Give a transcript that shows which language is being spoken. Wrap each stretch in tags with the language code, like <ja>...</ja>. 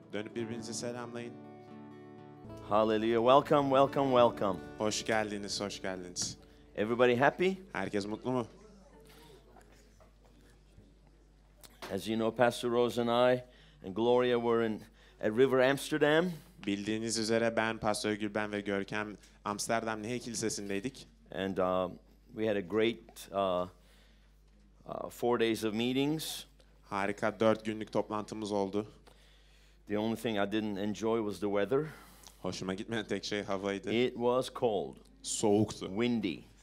<tr>Dönüp birbirinizi selamlayın.</tr> <en>Hallelujah. Welcome, welcome, welcome.</en> <tr>Hoş geldiniz, hoş geldiniz.</tr> <en>Everybody happy?</en> <tr>Herkes mutlu mu?</tr> <en>As you know, Pastor Rose and I and Gloria were in at River Amsterdam.</en> <tr>Bildiğiniz üzere ben, Pastor Gülben ve Görkem Amsterdam Nehir Kilisesi'ndeydik.</tr> <en>And we had a great 4 days of meetings.</en> <tr>Harika 4 günlük toplantımız oldu.</tr> <en>The only thing I didn't enjoy was the weather.</en> <tr>Hoşuma gitmeyen tek şey havaydı.</tr> <en>It was cold.</en> <tr>Soğuktu.</tr> <en>Windy.</en>